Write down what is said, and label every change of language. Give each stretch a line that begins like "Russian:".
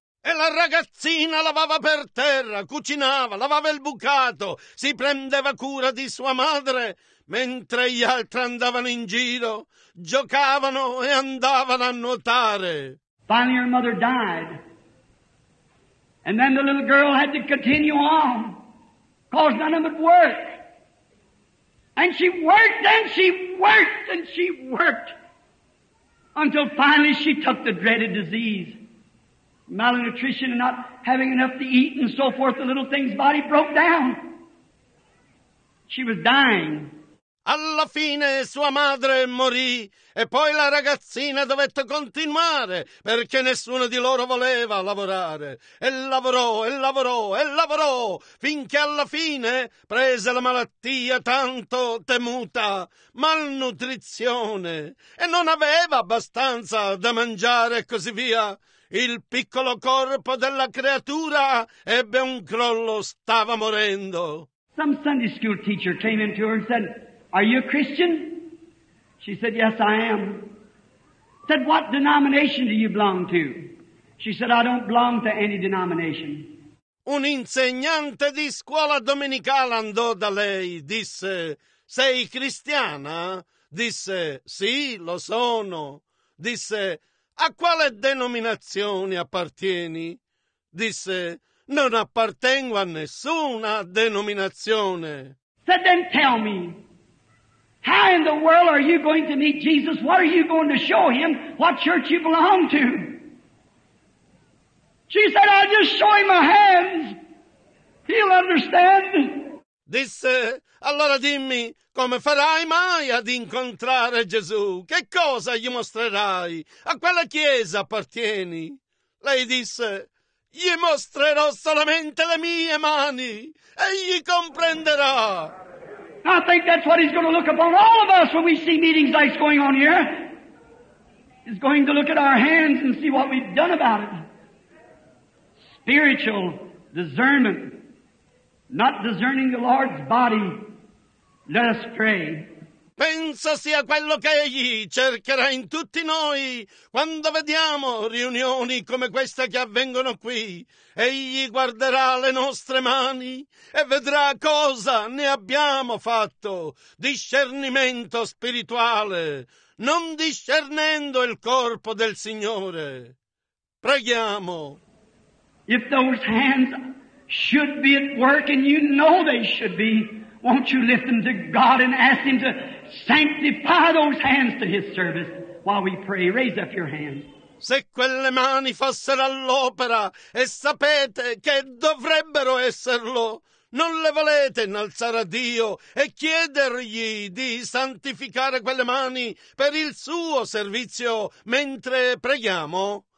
Italian: E la ragazzina lavava per terra, cucinava, lavava il bucato, si prendeva cura di sua madre, mentre gli altri andavano in giro, giocavano e andavano a nuotare.
English: Finally her mother died. And then the little girl had to continue on, cause none of them would work. And she worked and she worked and she worked until finally she took the dreaded disease. Malnutrition and not having enough to eat and so forth, the little thing's body broke down. She was dying.
Italian: Alla fine sua madre morì e poi la ragazzina dovette continuare perché nessuno di loro voleva lavorare. E lavorò e lavorò e lavorò finché alla fine prese la malattia tanto temuta, malnutrizione, e non aveva abbastanza da mangiare e così via. Il piccolo corpo della creatura ebbe un crollo, stava morendo.
English: Some Sunday school teacher came into her and said, are you a Christian? She said, yes, I am. Said, what denomination do you belong to? She said, I don't belong to any denomination.
Italian: Un insegnante di scuola domenicale andò da lei, disse, sei cristiana? Disse, sì, lo sono. Disse, a quale denominazione appartieni? Disse, non appartengo a nessuna denominazione.
English: Said, then tell me. How in the world are you going to meet Jesus? What are you going to show him? What church you belong to? She said, I'll just show him my hands. He'll understand.
Italian: Disse, allora dimmi, come farai mai ad incontrare Gesù? Che cosa gli mostrerai? A quale chiesa appartieni? Lei disse, gli mostrerò solamente le mie mani e gli comprenderà.
English: I think that's what he's going to look upon all of us when we see meetings like this going on here. He's going to look at our hands and see what we've done about it. Spiritual discernment. Not discerning the Lord's body. Let us pray.
Italian: pensa sia quello che egli cercherà in tutti noi. Quando vediamo riunioni come queste che avvengono qui, egli guarderà le nostre mani e vedrà cosa ne abbiamo fatto. Discernimento spirituale, non discernendo il corpo del Signore. Preghiamo.
English: If those hands should be at work, and you know they should be, won't you lift them to God and ask Him to sanctify those hands to His service while we pray? Raise up your hands.
Italian: Se quelle mani fossero all'opera, e sapete che dovrebbero esserlo, non le volete innalzare a Dio e chiedergli di santificare quelle mani per il suo servizio mentre preghiamo?